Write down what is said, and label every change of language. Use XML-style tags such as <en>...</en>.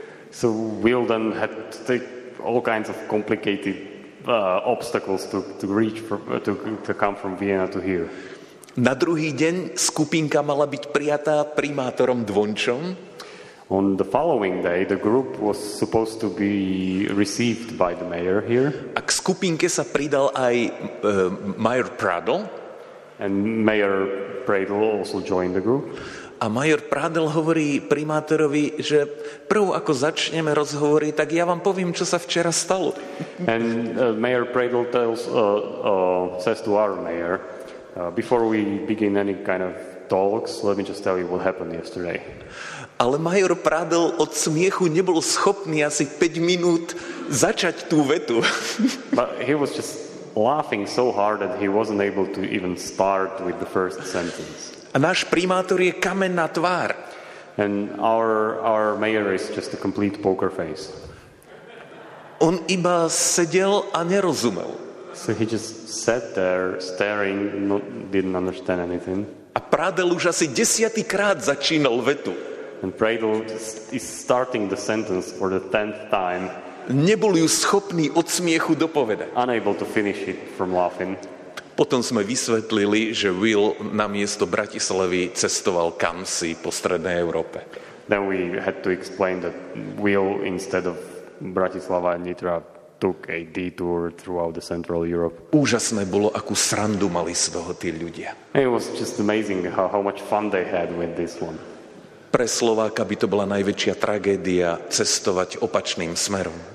<en>So Will then had to take all kinds of complicated obstacles to come from Vienna to here.</en> <sk>Na druhý deň skupinka mala byť prijatá primátorom Dvončom.</sk> <en>On the following day the group was supposed to be received by the mayor here.</en> <sk>A k skupinke sa pridal aj Mayor Pradl.</sk> <en>And Mayor Pradl also joined the group.</en> <sk>A Mayor Pradl hovorí primátorovi, že prv ako začneme rozhovory, tak ja vám poviem, čo sa včera stalo.</sk> <en>And Mayor Pradl tells says to our mayor, before we begin any kind of talks, let me just tell you what happened yesterday.</en> <sk>Ale Major Pradl od smiechu nebol schopný asi 5 minút začať tú vetu.</sk> <en>But he was just laughing so hard that he wasn't able to even start with the first sentence.</en> <sk>A náš primátor je kamenná tvár.</sk> <en>And our mayor is just a complete poker face.</en> <sk>On iba sedel a nerozumel.</sk> <en>So he just sat there staring, didn't understand anything.</en> <sk>A Pradl už asi 10. krát začínal vetu.</sk> <en>And Pradl is starting the sentence for the 10th time.</en> <sk>Nebol ju schopný od smiechu dopovedať.</sk> <en>Unable to finish it from laughing.</en> <sk>Potom sme vysvetlili, že Will namiesto Bratislavy cestoval kamsi po strednej Európe.</sk> <en>Then we had to explain that Will instead of Bratislava and Nitra took a detour throughout the Central Europe.</en> <sk>Úžasné bolo, akú srandu mali z toho tí ľudia.</sk> <en>It was just amazing how much fun they had with this one.</en> <sk>Pre Slováka by to bola najväčšia tragédia cestovať opačným smerom.</sk>